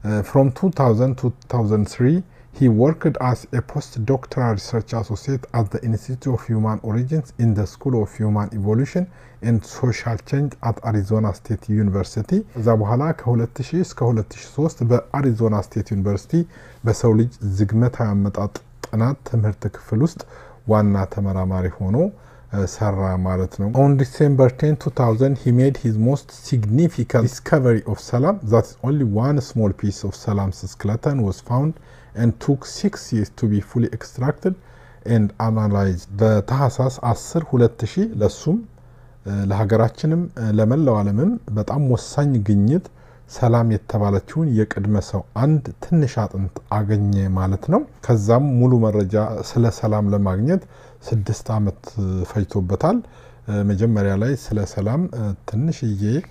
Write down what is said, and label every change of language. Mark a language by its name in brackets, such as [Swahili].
[English] From 2000 to 2003 he worked as a postdoctoral research associate at the Institute of Human Origins in the School of Human Evolution and Social Change at Arizona State University. [Amharic] ከዛ በኋላ ከ2000 እስከ 2003 በአሪዞና ስቴት ዩኒቨርሲቲ በሰው ልጅ ዝግመታ አመጣጥ ጥናት ትምህርት ክፍል ውስጥ ዋና ተመራማሪ ሆኖ ሰራ ማለት ነው። [English] On December 10, 2000 he made his most significant discovery of Salam, that is only one small piece of Salam's skeleton was found and took 6 years to be fully extracted and analyzed. [Amharic] በታህሳስ 10 2000 ለሱም ለሀገራችንም ለመላው ዓለምም በጣም ወሳኝ ግኝት ሰላም የተባለችውን የቅድመ ሰው አንድ ትንሽ አጥንት አገኘ ማለት ነው። ከዛም ሙሉ መረጃ ስለ ሰላም ለማግኘት 6 አመት ፈጅቶበታል። መጀመሪያ ላይ ስለ ሰላም ትንሽዬ